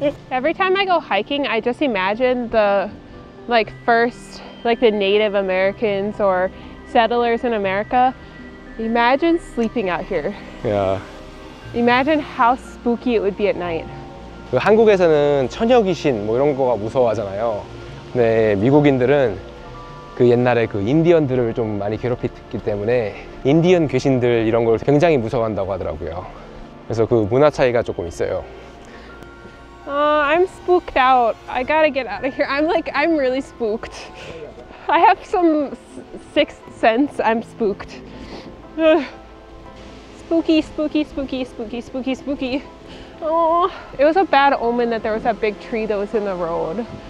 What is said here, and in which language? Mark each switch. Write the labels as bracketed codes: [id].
[en] Every time I go hiking, I just imagine the like first like the Native Americans or settlers in America. Imagine sleeping out here. Yeah. Imagine how spooky it would be at night. [ko] 그 한국에서는 처녀 귀신 뭐 이런 거가 무서워하잖아요. 근데 미국인들은 그 옛날에 그 인디언들을 좀 많이 괴롭혔기 때문에 인디언 귀신들 이런 걸 굉장히 무서워한다고 하더라고요. 그래서 그 문화 차이가 조금 있어요. [en] I'm spooked out. I gotta get out of here. I'm really spooked. I have some sixth sense. I'm spooked. Spooky, spooky, spooky, spooky, spooky, spooky. Oh, it was a bad omen that there was that big tree that was in the road.